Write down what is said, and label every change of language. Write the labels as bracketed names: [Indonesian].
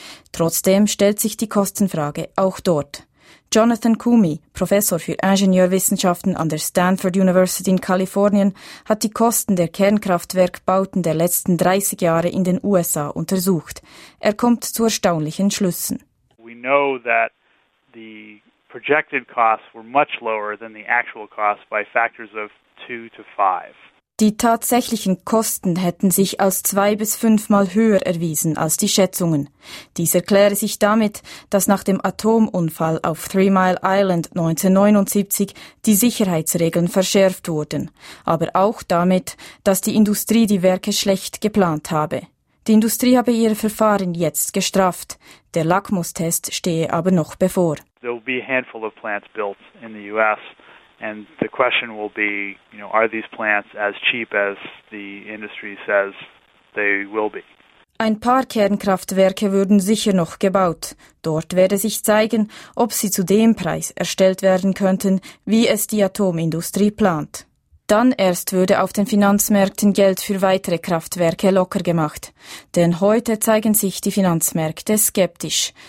[German] Trotzdem stellt sich die Kostenfrage auch dort. Jonathan Kumi, Professor für Ingenieurwissenschaften an der Stanford University in Kalifornien, hat die Kosten der Kernkraftwerkbauten der letzten 30 Jahre in den USA untersucht. Er kommt zu erstaunlichen Schlüssen. [English] We know that the projected costs were much lower than the actual costs by factors of 2 to 5. [German] Die tatsächlichen Kosten hätten sich als 2 bis 5 Mal höher erwiesen als die Schätzungen. Dies erkläre sich damit, dass nach dem Atomunfall auf Three Mile Island 1979 die Sicherheitsregeln verschärft wurden, aber auch damit, dass die Industrie die Werke schlecht geplant habe. Die Industrie habe ihr Verfahren jetzt gestraft. Der Lackmustest stehe aber noch bevor. [English] There will be a handful of plants built in the US, and the question will be, you know, are these plants as cheap as the industry says they will be? [German] Ein paar Kernkraftwerke würden sicher noch gebaut. Dort werde sich zeigen, ob sie zu dem Preis erstellt werden könnten, wie es die Atomindustrie plant. Dann erst würde auf den Finanzmärkten Geld für weitere Kraftwerke locker gemacht. Denn heute zeigen sich die Finanzmärkte skeptisch.